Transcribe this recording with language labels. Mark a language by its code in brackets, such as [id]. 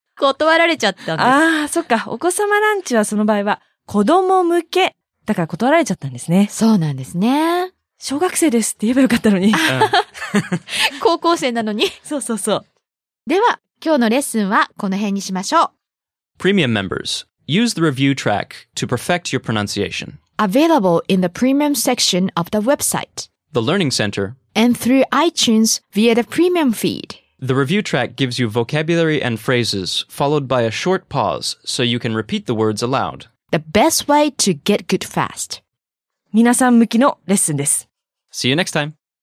[ja] 断られちゃったんです。ああ、そっか。お子様ランチはその場合は、子供向け。だから断られちゃったんですね。そうなんですね。小学生ですって言えばよかったのに。高校生なのに。そうそうそう。では、今日のレッスンはこの辺にしましょう。 [en] Premium members, use the review track to perfect your pronunciation. Available in the premium section of the website. The Learning Center. And through iTunes via the premium feed. The review track gives you vocabulary and phrases followed by a short pause so you can repeat the words aloud. The best way to get good fast. [ja] 皆さん向きのレッスンです。 [en] See you next time!